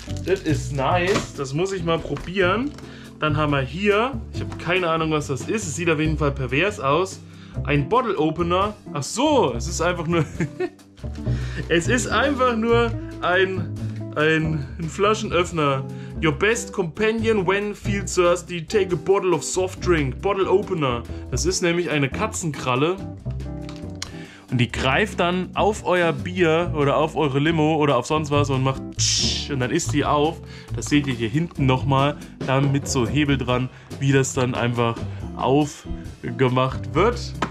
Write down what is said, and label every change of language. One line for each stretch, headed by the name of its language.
German: Das ist nice. Das muss ich mal probieren. Dann haben wir hier, ich habe keine Ahnung, was das ist. Es sieht auf jeden Fall pervers aus. Ein Bottle-Opener. Ach so, es ist einfach nur... Es ist einfach nur ein Flaschenöffner.
English: Your best companion when feel thirsty, take a bottle of soft drink. Bottle opener.
German: Das ist nämlich eine Katzenkralle. Und die greift dann auf euer Bier oder auf eure Limo oder auf sonst was und macht tsch, und dann isst die auf. Das seht ihr hier hinten nochmal. Da mit so Hebel dran, wie das dann einfach aufgemacht wird.